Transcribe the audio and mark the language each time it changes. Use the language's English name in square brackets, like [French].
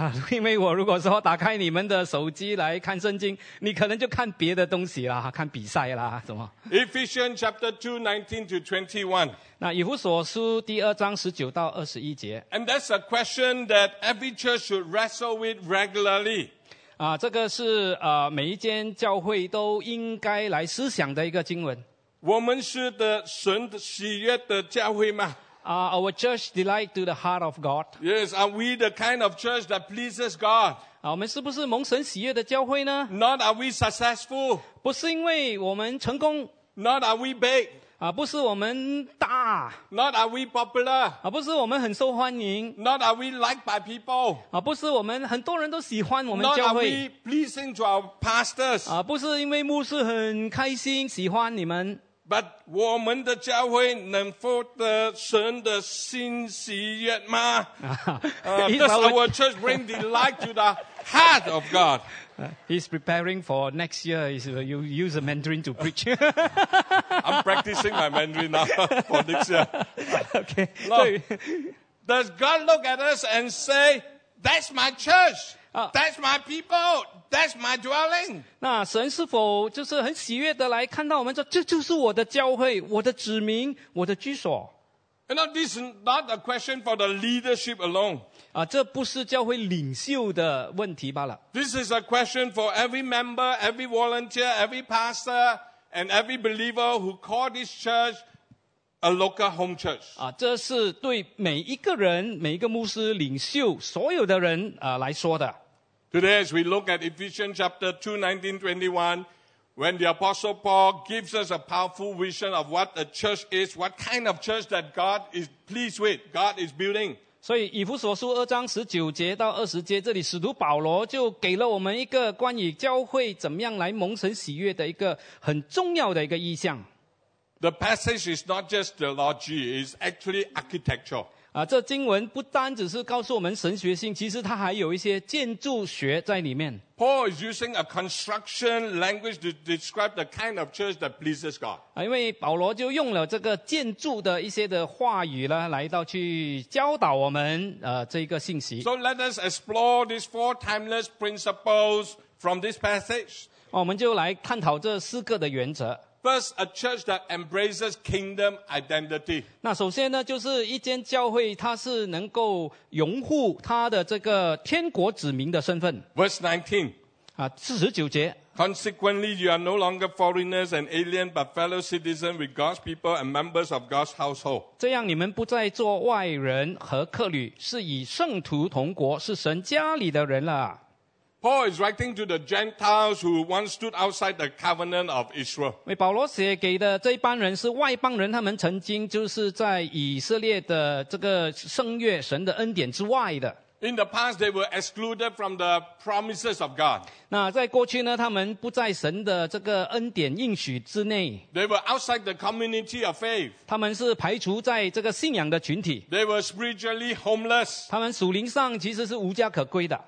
[Chinese] 因为我如果说打开你们的手机来看圣经，你可能就看别的东西啦，看比赛啦，什么 [English] ？Ephesians chapter 2:19 to 21. [Chinese] 那以弗所书第二章十九到二十一节。 [English] And that's a question that every church should wrestle with regularly. [Chinese] 这个是每一间教会都应该来思想的一个经文。我们是的神喜悦的教会吗？ [English] Our church delight to the heart of God. Yes, are we the kind of church that pleases God? [Chinese] 我们是不是蒙神喜悦的教会呢？ [English] Not are we successful? [Chinese] 不是因为我们成功。 [English] Not are we big? [Chinese] 不是我们大。 [English] Not are we popular? [Chinese] 不是我们很受欢迎。 [English] Not are we liked by people? [Chinese] 不是我们很多人都喜欢我们教会。 [English] Not are we pleasing to our pastors? [Chinese] 不是因为牧师很开心喜欢你们。 But 我们的教会能否得神的心喜悦吗？ [English] Does our church bring delight to the heart of God? He's preparing for next year. You use a Mandarin to preach. I'm practicing my Mandarin now for next year. Okay. Look, does God look at us and say, "That's my church"? That's my people. That's my dwelling. [Chinese] 那神是否就是很喜悦的来看到我们说，这就是我的教会，我的子民，我的居所。 [English] You know, this is not a question for the leadership alone. [Chinese] 这不是教会领袖的问题罢了。 [English] This is a question for every member, every volunteer, every pastor, and every believer who call this church a local home church. [Chinese] 这是对每一个人，每一个牧师领袖，所有的人来说的。 [English] Today, as we look at Ephesians chapter 2:19-21, when the Apostle Paul gives us a powerful vision of what a church is, what kind of church that God is pleased with, God is building. [Chinese] 所以以弗所书二章十九节到二十节，这里使徒保罗就给了我们一个关于教会怎么样来蒙神喜悦的一个很重要的一个意象。 [English] The passage is not just theology, it's actually architecture. [Chinese] 这经文不单只是告诉我们神学性，其实它还有一些建筑学在里面。 [English] Paul is using a construction language to describe the kind of church that pleases God. [Chinese] 因为保罗就用了这个建筑的一些的话语呢，来到去教导我们这个信息。 [English] So let us explore these four timeless principles from this passage. [Chinese] 我们就来探讨这四个的原则。 [English] First, a church that embraces kingdom identity. [Chinese] 那首先呢，就是一间教会，它是能够拥护它的这个天国子民的身份。 [English] Verse 19, [Chinese] 49节。 [English] Consequently, you are no longer foreigners and alien, but fellow citizens with God's people and members of God's household. [Chinese] 这样你们不再做外人和客旅，是与圣徒同国，是神家里的人了。 [English] Paul is writing to the Gentiles who once stood outside the covenant of Israel. [Chinese] 为保罗写给的这一帮人是外邦人，他们曾经就是在以色列的这个圣约神的恩典之外的。 [English] In the past, they were excluded from the promises of God. [Chinese] 那在过去呢，他们不在神的这个恩典应许之内。 [English] They were outside the community of faith. [Chinese] 他们是排除在这个信仰的群体。 [English] They were spiritually homeless. [Chinese] 他们属灵上其实是无家可归的。